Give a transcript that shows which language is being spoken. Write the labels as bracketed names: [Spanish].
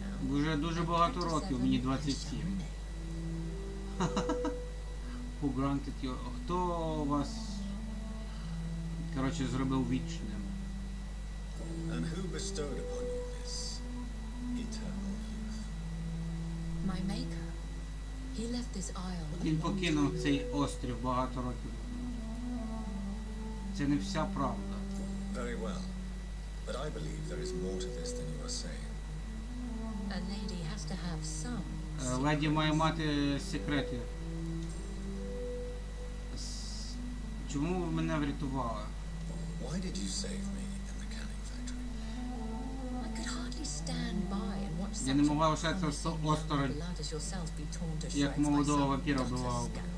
[Ukrainian] Вже дуже багато років, мені 27. [English] Who granted you? [Ukrainian] Хто вас, коротше, зробив вічним? [English] And who bestowed upon you this eternal youth? My maker. He left this isle. [Ukrainian] Він покинув цей острів багато років. Це не вся правда. [English] Very well. But I believe there is more to this than you are saying. A lady has to have some. [Ukrainian] Леді має мати секрети. Чому ви мене врятували? [English] Why did you save me in the canning factory? I could hardly stand by and watch such [Ukrainian] Я не могла лишатися осторонь. Як молодого вампіра вбивав.